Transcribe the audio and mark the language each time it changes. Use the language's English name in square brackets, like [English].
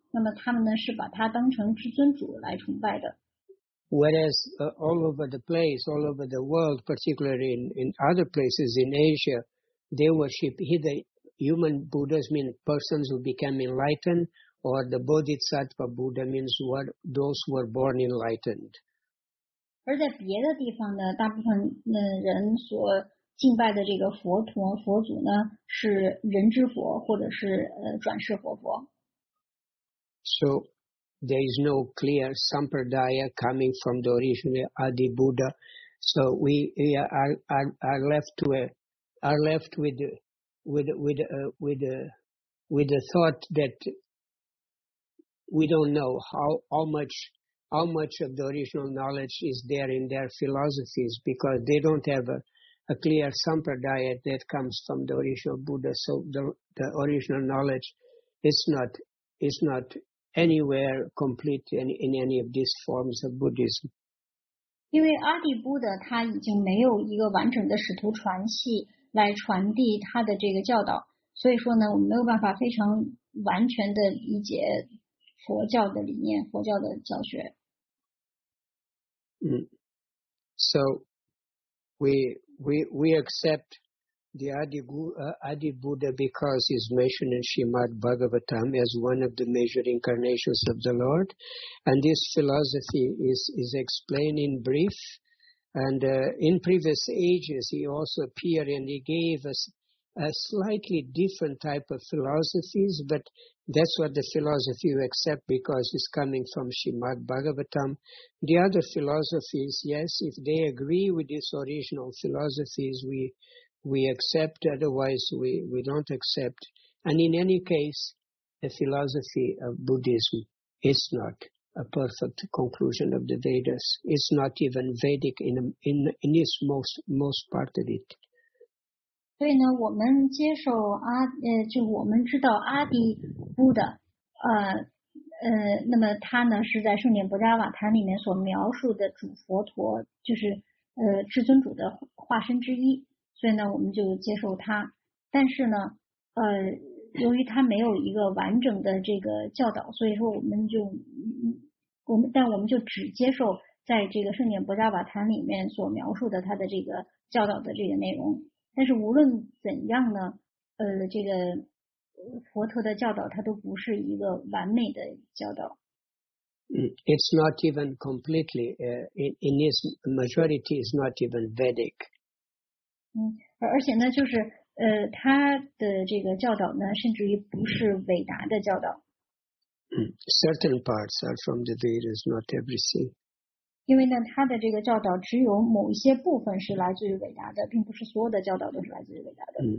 [Chinese] 那么他们呢，是把他当成至尊主来崇拜的。 [English] Whereas all over the place, all over the world, particularly in other places in Asia, they worship either human Buddhas, mean persons who became enlightened, or the Bodhisattva Buddha, means those who were born enlightened. [Chinese] 而在别的地方呢，大部分的人所敬拜的这个佛陀、佛祖呢，是人之佛，或者是转世活佛。 [English] So. There is no clear sampradaya coming from the original Adi Buddha, so we are left with the thought that we don't know how much of the original knowledge is there in their philosophies, because they don't have a clear sampradaya that comes from the original Buddha. So the original knowledge is not. Anywhere complete in any of these forms of Buddhism. [Chinese] 因为阿底布达他已经没有一个完整的使徒传系来传递他的这个教导，所以说呢，我们没有办法非常完全的理解佛教的理念，佛教的教学。 [English] So we accept the Adi Buddha because he's mentioned in Srimad Bhagavatam as one of the major incarnations of the Lord, and this philosophy is explained in brief, and in previous ages he also appeared and he gave us a slightly different type of philosophies, but that's what the philosophy you accept because it's coming from Srimad Bhagavatam. The other philosophies, yes, if they agree with his original philosophies, we accept, otherwise we don't accept. And in any case, the philosophy of Buddhism is not a perfect conclusion of the Vedas. It's not even Vedic in its most part of it. [Chinese] 所以呢，我们接受就我们知道阿底布达，那么他呢是在圣典博扎瓦坛里面所描述的主佛陀，就是至尊主的化身之一。所以呢，我们就接受他，但是呢，由于他没有一个完整的这个教导，所以说我们就只接受在这个圣典博扎瓦坛里面所描述的他的这个教导的这个内容。但是无论怎样呢，这个佛陀的教导它都不是一个完美的教导。 [English] It's not even completely, in its majority, is not even Vedic. [Chinese] 而且呢，就是他的这个教导呢，甚至于不是伟达的教导。 [English] Certain parts are from the Vedas, not everything. [Chinese] 因为呢，他的这个教导只有某一些部分是来自于伟达的，并不是所有的教导都是来自于伟达的。